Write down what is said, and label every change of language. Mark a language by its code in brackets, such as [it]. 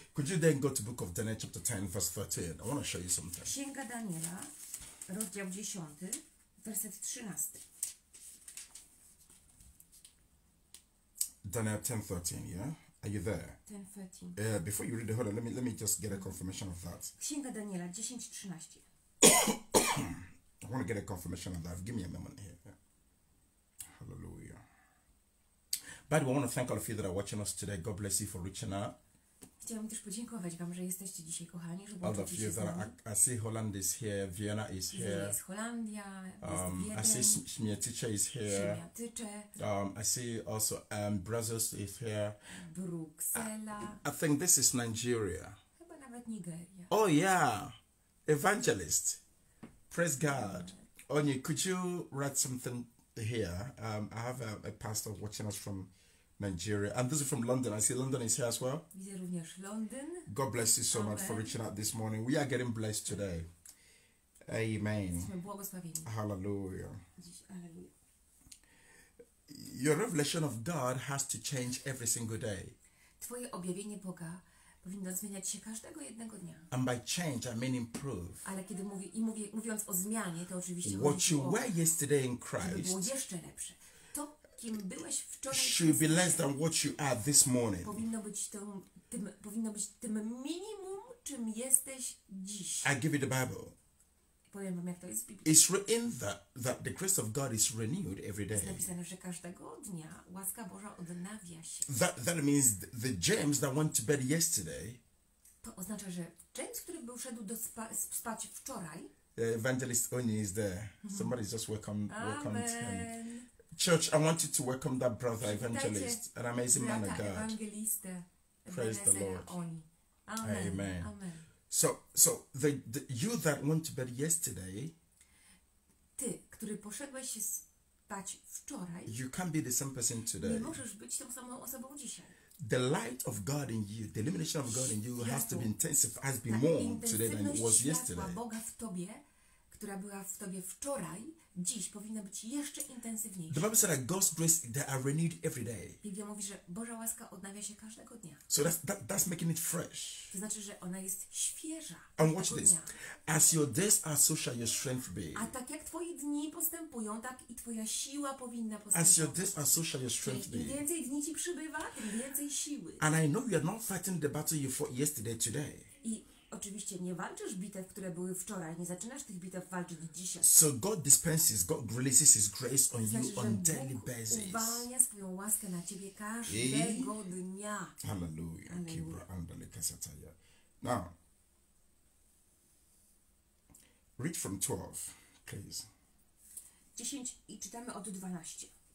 [en] Could you then go to Book of Daniel chapter 10 verse 13? I want to show you something. [pl] Księga Daniela, rozdział 10, werset 13. [en] Daniel 10:13, yeah? Are you there? 10:13. Before you read the whole, let me just get a confirmation of that. [pl] Księga Daniela 10:13. [en] I want to get a confirmation of that. Give me a moment here. Hallelujah. By the way, I want to thank all of you that are watching us today. God bless you for reaching out. [pl] Chciałam też podziękować wam, że jesteście dzisiaj kochani, że włączyliście się z nami. [en] I see Holland is here, Vienna is here. [pl] Jest Holandia, jest Wiedeń. [en] I see Śmietycze is here. [pl] Śmietycze. [en] I see also Brussels is here. [pl] Bruksela. [en] I think this is Nigeria. [pl] Chyba nawet Nigeria. [en] Oh yeah, evangelist. Praise God. Onye, could you write something here? I have a pastor watching us from Nigeria, and this is from London. I see London is here as well. [pl] Widzę również London. [en] God bless you so Amen. Much for reaching out this morning. We are getting blessed today. Amen. [pl] Jesteśmy błogosławieni. [en] Hallelujah. Hallelujah. Your revelation of God has to change every single day. [pl] Twoje objawienie Boga powinno zmieniać się każdego jednego dnia. [en] And by change, I mean improve. [pl] Ale kiedy mówiąc o zmianie, to oczywiście [en] what you were yesterday in Christ [pl] było jeszcze lepsze. To, kim byłeś wczoraj, [en] should be less than what you are this morning. [pl] Powinno być tym minimum, czym jesteś dziś. [en] I give you the Bible. [pl] Powiem wam, jak to jest w Biblii. [en] It's written that the grace of God is renewed every day. [pl] Jest napisane, że każdego dnia łaska Boża odnawia się. [en] That means the James that went to bed yesterday. [pl] To oznacza, że James, który był szedł do spać wczoraj. [en] The evangelist Oni is there. Somebody just welcome to him. Church, I want you to welcome that brother evangelist, an amazing man of God. Praise the Lord. Amen. So the you that went to bed yesterday, [pl] ty, który poszedłeś się spać wczoraj, [en] you can't be the same person today. [pl] Nie możesz być tą samą osobą dzisiaj. [en] The light of God in you, the illumination of God in you has to be intensive, has been more today than it was yesterday. [pl] Boga w tobie, która była w tobie wczoraj, dziś powinna być jeszcze intensywniejsza. [en] The Bible says that God's grace they are renewed every day. [pl] Biblia mówi, że Boża łaska odnawia się każdego dnia. [en] So that's making it fresh. [pl] To znaczy, że ona jest świeża. [en] And watch this. As your days are, so shall your strength be. [pl] A tak jak twoje dni postępują, tak i twoja siła powinna postępować. [en] As your days are, so shall your strength be. [pl] Im więcej dni ci przybywa, tym więcej siły. [en] And I know you are not fighting the battle you fought yesterday, today. [pl] Oczywiście nie walczysz bitew, które były wczoraj, nie zaczynasz tych bitew walczyć dzisiaj. [en] So God dispenses, God releases His grace on you on daily basis. [pl] Uwalnia swoją łaskę na ciebie każdego dnia. [en] Hallelujah. Now, read from 12, please. [pl] 10 i czytamy od 12.